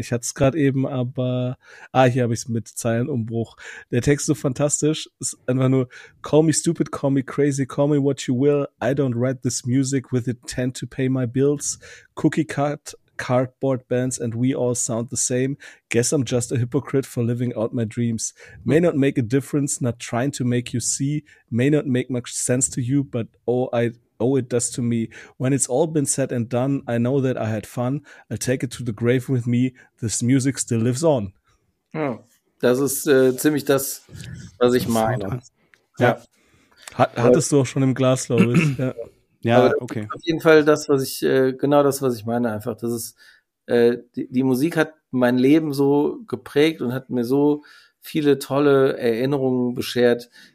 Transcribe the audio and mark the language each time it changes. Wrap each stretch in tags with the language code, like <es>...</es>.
<de>Ich hatte es gerade eben, aber hier habe ich es mit Zeilenumbruch. Der Text ist so fantastisch. Ist einfach nur:</de> <en>Call me stupid, call me crazy, call me what you will. I don't write this music with intent to pay my bills. Cookie cut cardboard bands and we all sound the same. Guess I'm just a hypocrite for living out my dreams. May not make a difference, not trying to make you see. May not make much sense to you, but oh, it does to me. When it's all been said and done, I know that I had fun. I'll take it to the grave with me. This music still lives on.</en> <de>Ja, das ist ziemlich das, was ich meine. Ja. Hattest du auch schon im Glas, glaube ich. Ja. Ja, okay. Auf jeden Fall das, was ich, genau das, was ich meine, einfach. Das ist, die Musik hat mein Leben so geprägt und hat mir so viele tolle Erinnerungen beschert.</de>